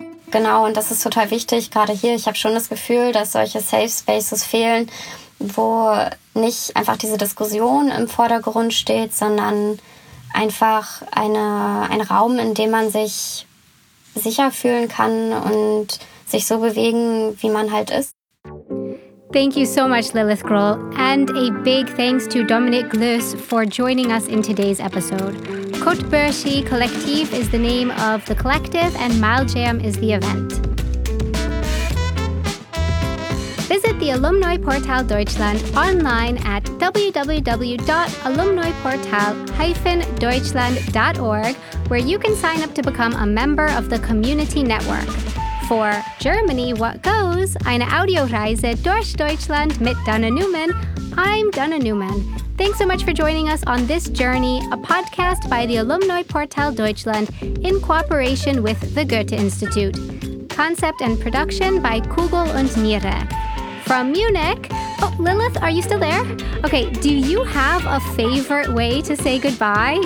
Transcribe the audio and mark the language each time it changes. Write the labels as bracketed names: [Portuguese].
[German] Genau, und das ist total wichtig, gerade hier. Ich habe schon das Gefühl, dass solche Safe Spaces fehlen, wo nicht einfach diese Diskussion im Vordergrund steht, sondern einfach ein Raum, in dem man sich sicher fühlen kann und sich so bewegen, wie man halt ist. [English] Thank you so much, Lilith Grohl. And a big thanks to Dominik Glöß for joining us in today's episode. Code Burschi Kollektiv is the name of the collective and Mile Jam is the event. Visit the Alumni Portal Deutschland online at www.alumniportal-deutschland.org, where you can sign up to become a member of the community network. for Germany What Goes, [German] eine Audioreise durch Deutschland mit Dana Newman. [English] I'm Dana Newman. Thanks so much for joining us on this journey, a podcast by the Alumni Portal Deutschland in cooperation with the Goethe Institute. Concept and production by Kugel und Niere. From Munich. Oh, Lilith, are you still there? Okay, do you have a favorite way to say goodbye?